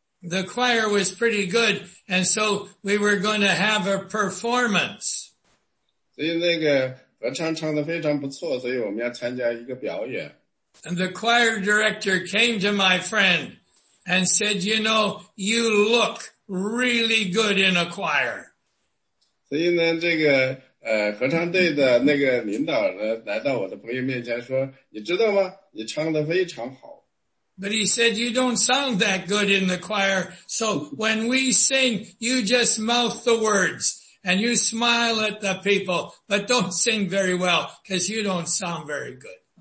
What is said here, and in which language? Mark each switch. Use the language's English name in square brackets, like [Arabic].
[English] The choir was pretty good, and so we were going to have a performance. [Chinese] 所以那个合唱唱得非常不错，所以我们要参加一个表演。 [English] And the choir director came to my friend and said, you know, you look really good in a choir. [Chinese] 所以呢，这个合唱队的那个领导呢，来到我的朋友面前说，你知道吗？你唱得非常好。 [English] But he said, you don't sound that good in the choir, so when we sing, you just mouth the words, and you smile at the people, but don't sing very well, because you don't sound very good.